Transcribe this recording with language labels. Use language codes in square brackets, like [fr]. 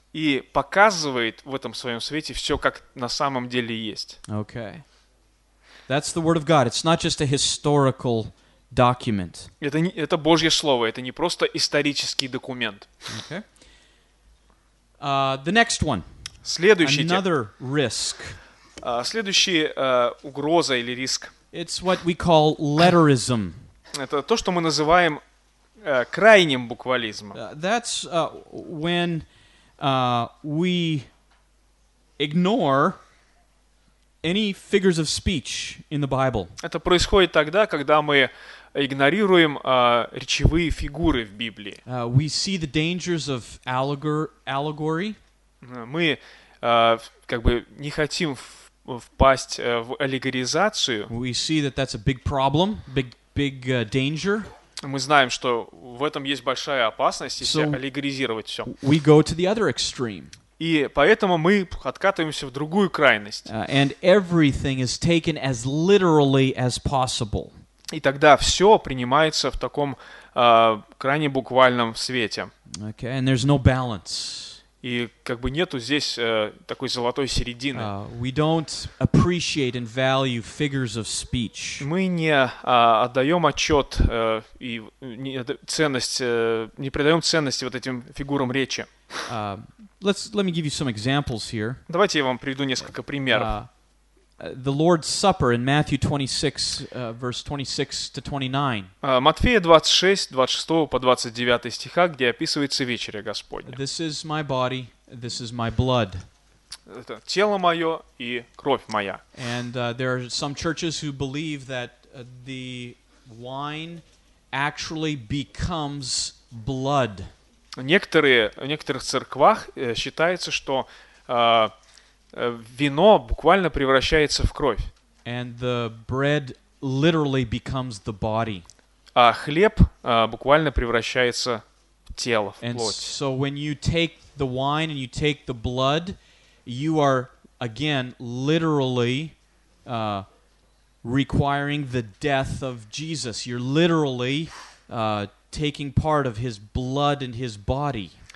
[ru] И показывает в этом своем свете все, как на самом деле есть. [en] Okay. That's the word of God. It's not just a historical document. [ru] Это Божье слово, это не просто исторический документ. [en] Okay. The next one. [ru] Следующий. [en] Another risk. [ru] Следующий угроза или риск. [en] It's what we call letterism. [ru] Это то, что мы называем крайним буквализмом. [en] That's when we ignore any figures of speech in the Bible. [ru] Это происходит тогда, когда мы игнорируем речевые фигуры в Библии. [en] We see the dangers of allegory. [ru] Мы как бы не хотим впасть в аллегоризацию. [en] We see that that's a big problem, big danger. [ru] Мы знаем, что в этом есть большая опасность, если аллегоризировать все. [en] We go to the other extreme. [ru] И поэтому мы откатываемся в другую крайность. [en] And everything is taken as literally as possible. [ru] И тогда все принимается в таком крайне буквальном свете. [en] Okay, and there's no balance. [ru] И как бы нету здесь такой золотой середины. [en] We don't appreciate and value figures of speech. [ru] Мы не отдаем отчет и не придаем ценности вот этим фигурам речи. [en] Let me give you some examples here. [ru] Давайте я вам приведу несколько примеров. [en] The Lord's Supper in Matthew 26, verse 26 to 29. [ru] Матфея 26, 26 по 29 стиха, где описывается вечеря Господня. [en] This is my body, this is my blood. [ru] Это тело мое и кровь моя. [en] And there are some churches who believe that the wine actually becomes blood. [ru] В некоторых церквах считается, что вино буквально превращается в кровь. [en] And the bread literally becomes the body. [ru] А хлеб буквально превращается в тело, в плоть. [en] So when you take the wine and you take the blood, you are again literally requiring the death of Jesus. You're literally taking part of his blood and his body.